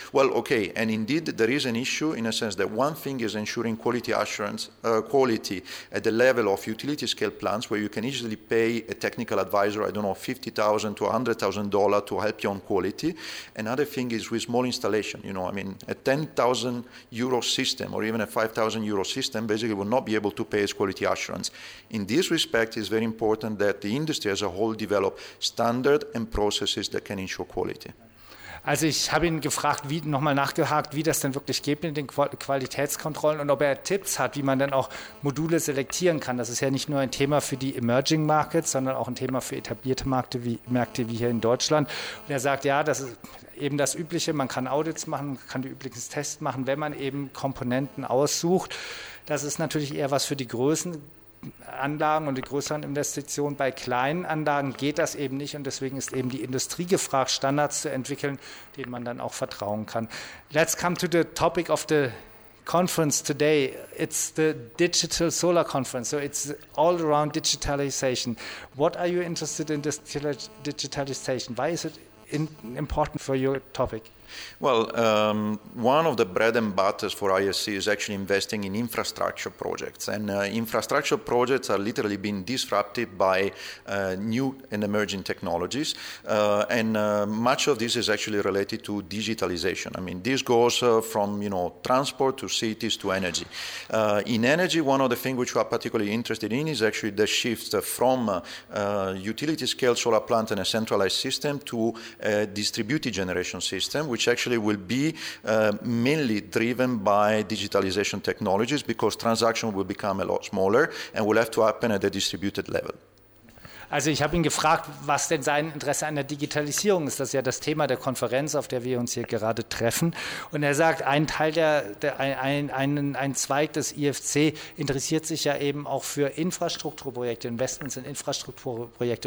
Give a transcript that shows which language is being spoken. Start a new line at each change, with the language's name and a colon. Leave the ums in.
English: Well, okay, and indeed there is an issue in a sense that one thing is ensuring quality assurance, uh, quality at the level of utility scale plants where you can easily pay a technical advisor, I don't know, fifty thousand to hundred thousand dollar to help you on quality. Another thing is with small installation, you know, I mean, a ten thousand euro system or even a five thousand euro system basically will not be able to pay its quality assurance. In this respect, it's very important that the industry as a whole develop standard and processes that can ensure quality.
German: Also ich habe ihn gefragt, wie nochmal nachgehakt, wie das denn wirklich geht mit den Qualitätskontrollen und ob er Tipps hat, wie man dann auch Module selektieren kann. Das ist ja nicht nur ein Thema für die Emerging Markets, sondern auch ein Thema für etablierte Märkte wie, Märkte wie hier in Deutschland. Und er sagt, ja, das ist eben das Übliche, man kann Audits machen, man kann die üblichen Tests machen, wenn man eben Komponenten aussucht. Das ist natürlich eher was für die Größen. Anlagen und die größeren Investitionen. Bei kleinen Anlagen geht das eben nicht und deswegen ist eben die Industrie gefragt, Standards zu entwickeln, denen man dann auch vertrauen kann.
English: Let's come to the topic of the conference today. It's the Digital Solar Conference, so it's all around digitalization. What are you interested in digitalization? Why is it in, important for your topic? Well, um, one of the bread and butters for ISC is actually investing in infrastructure projects. And uh, infrastructure projects are literally being disrupted by uh, new and emerging technologies. Uh, and much of this is actually related to digitalization. I mean, this goes from, you know, transport to cities to energy. in energy, one of the things which we are particularly interested in is actually the shift from utility scale solar plant and a centralized system to a distributed generation system, which which actually will be uh, mainly driven by digitalization technologies because transaction will become a lot smaller and will have to happen at the distributed level.
German: Also ich habe ihn gefragt, was denn sein Interesse an der Digitalisierung ist. Das ist ja das Thema der Konferenz, auf der wir uns hier gerade treffen. Und er sagt, ein Teil der, der ein, ein, ein Zweig des IFC interessiert sich ja eben auch für Infrastrukturprojekte, Investments in Infrastrukturprojekte.